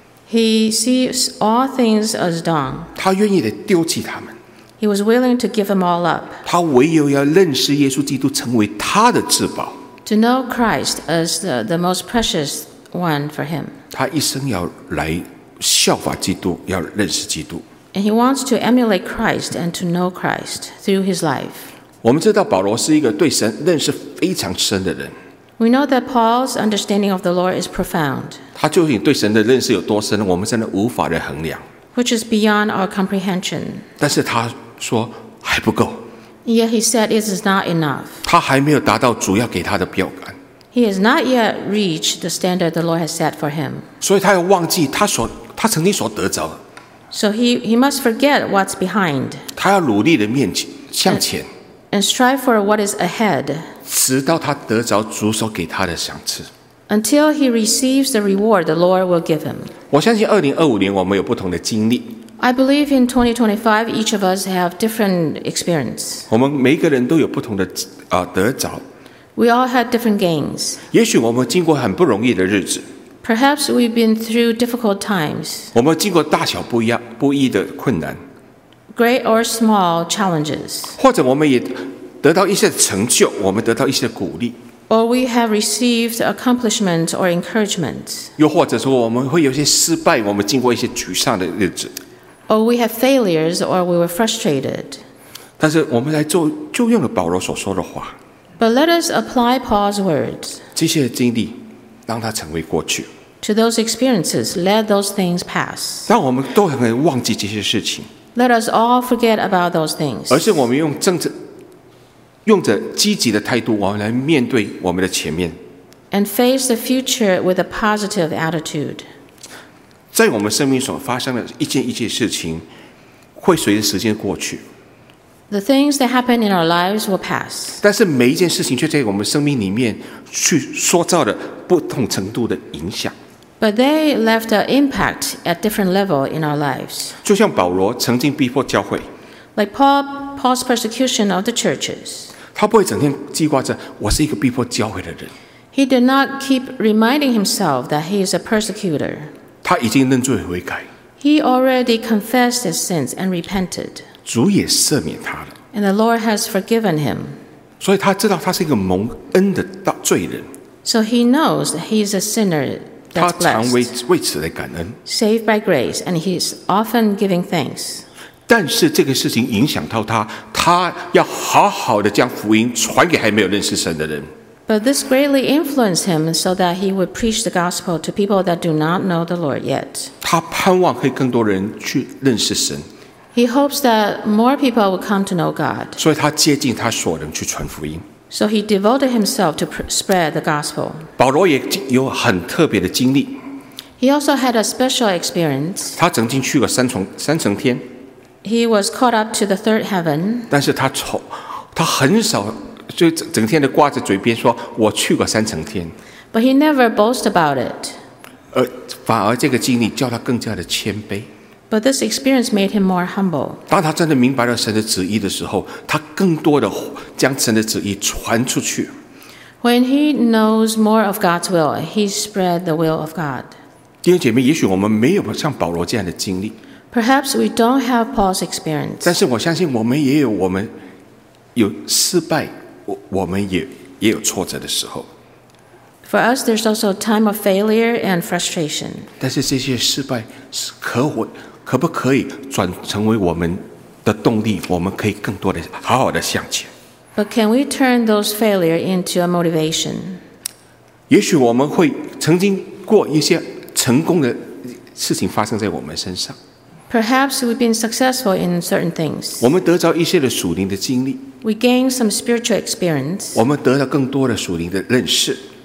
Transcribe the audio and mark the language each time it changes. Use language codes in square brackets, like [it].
[en] He sees all things as dung. [zh] 他愿意地丢弃他们。 [en] He was willing to give them all up. [zh] 他唯有要认识耶稣基督成为他的至宝。 [en] To know Christ as the most precious one for him. [zh] 他一生要来效法基督，要认识基督。 [en] And he wants to emulate Christ and to know Christ through his life. [zh] 我们知道保罗是一个对神认识非常深的人。 [en] We know that Paul's understanding of the Lord is profound. [zh] 他究竟对神的认识有多深，我们真的无法的衡量。 [en] Which is beyond our comprehension. [zh] 但是他说还不够。 [en] Yet he said it is not enough. [zh] 他还没有达到主要给他的标杆。 [en] He has not yet reached the standard the Lord has set for him. [zh] 所以他要忘记他曾经所得着。 [en] So he must forget what's behind. [zh] 他要努力的面前向前。 [en] And strive for what is ahead. [zh] 直到他得着主所给他的赏赐。 [en] Until he receives the reward the Lord will give him. [zh] 我相信2025年我们有不同的经历。 [en] I believe in 2025, each of us have different experience. [zh] 我们每一个人都有不同的得着。 [en] We all had different gains. [zh] 也许我们经过很不容易的日子。 [en] Perhaps we've been through difficult times. [zh] 我们经过大小不一的困难。 [en] Great or small challenges. [zh] 或者我们也得到一些成就，我们得到一些鼓励。 [en] Or we have received accomplishment or encouragement. [zh] 又或者说我们会有些失败，我们经过一些沮丧的日子。 [en] Or we have failures, or we were frustrated. [zh] 但是我们来做，就用了保罗所说的话。 [en] But let us apply Paul's words. [zh] 这些经历，让它成为过去。 [en] To those experiences, let those things pass. [zh] 让我们都很难忘记这些事情。 [en] Let us all forget about those things. [zh] 而是我们用着积极的态度，我们来面对我们的前面。 [en] And face the future with a positive attitude. [zh] 在我们生命所发生的一件一件事情，会随着时间过去。 [en] The things that happen in our lives will pass. [zh] 但是每一件事情却在我们生命里面去塑造了不同程度的影响。 [en] But they left an impact at different level in our lives. [zh] 就像保罗曾经逼迫教会。 [en] Like Paul's persecution of the churches. [zh] 他不会整天记挂着我是一个逼迫教会的人。 [en] He did not keep reminding himself that he is a persecutor. [zh] 他已经认罪悔改。 [en] He already confessed his sins and repented. [zh] 主也赦免他了。 [en] And the Lord has forgiven him. [zh] 所以他知道他是一个蒙恩的罪人。 [en] So he knows that he is a sinner. [zh] 他常为此来感恩。 [en] Saved by grace, and he's often giving thanks. [zh] 但是这个事情影响到他，他要好好的将福音传给还没有认识神的人。 [en] But this greatly influenced him so that he would preach the gospel to people that do not know the Lord yet. [zh] 他盼望可以更多人去认识神。 [en] He hopes that more people will come to know God. [zh] 所以他竭尽他所能去传福音。 [en] So he devoted himself to spread the gospel. [zh] 保罗也有很特别的经历。 [en] He also had a special experience. [zh] 他曾经去过三层天。 [en] He was caught up to the third heaven. [zh] 但是他很少就整天的挂在嘴边说我去过三层天。 [en] But he never boasted about it. [zh] 反而这个经历叫他更加的谦卑。 [en] But this experience made him more humble. [zh] 当他真的明白了神的旨意的时候，他更多的将神的旨意传出去。 [en] When he knows more of God's will, he spread the will of God. [zh] 弟兄姐妹，也许我们没有像保罗这样的经历。 [en] Perhaps we don't have Paul's experience. [zh] 但是我相信我们也有失败，我们也有挫折的时候。 [en] For us, there's also a time of failure and frustration. [zh] 但是这些失败是可不可以转成为我们的动力，我们可以更多的好好的向前。 [en] But can we turn those failure into a motivation? [zh] 也许我们会曾经过一些成功的事情发生在我们身上。 [en] Perhaps we've been successful in certain things. [zh] 我们得着一些的属灵的经历。 [en] We gain some spiritual experience. [zh] 我们得到更多的属灵的认识。